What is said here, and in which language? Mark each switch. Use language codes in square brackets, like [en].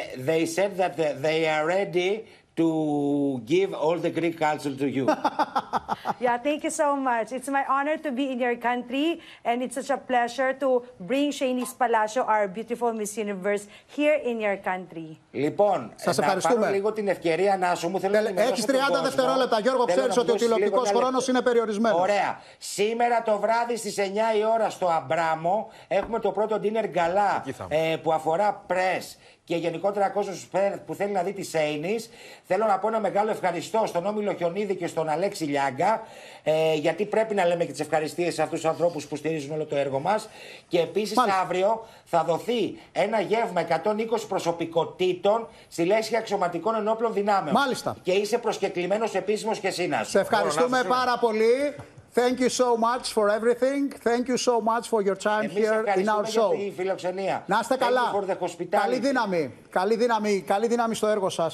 [en] They said that they are ready to give all the Greek culture to you. Yeah, thank you so much. It's my honor to be in your country, and it's such a pleasure to bring Shaynis Palacios, our beautiful Miss Universe, here in your country. [el] Λοιπόν, σας ευχαριστούμε. Να πάρω λίγο την ευκαιρία, Νάσο μου. Θέλω έχεις 30 δευτερόλεπτα, Γιώργο. Ξέρεις ότι ο τηλεοπτικός χρόνος είναι περιορισμένος. Ωραία. Σήμερα το βράδυ στις 9 η ώρα στο Αμπράμο έχουμε το πρώτο dinner gala που αφορά press και γενικότερα κόσμο που θέλει να δει τη Σέινις. Θέλω να πω ένα μεγάλο ευχαριστώ στον Όμιλο Χιονίδη και στον Αλέξη Λιάγκα, γιατί πρέπει να λέμε και τις ευχαριστίες σε αυτούς τους ανθρώπους που στηρίζουν όλο το έργο μας. Και επίσης αύριο θα δοθεί ένα γεύμα 120 προσωπικότητων στη Λέσχη Αξιωματικών Ενόπλων Δυνάμεων. Μάλιστα. Και είσαι προσκεκλημένος επίσημος και σύνας. Σε ευχαριστούμε πάρα πολύ. [en] Thank you so much for everything. Thank you so much for your time [el] Εμείς [en] here in our show. [el] Για τη φιλοξενία. Να είστε καλά. Καλή δύναμη. Καλή δύναμη στο έργο σας.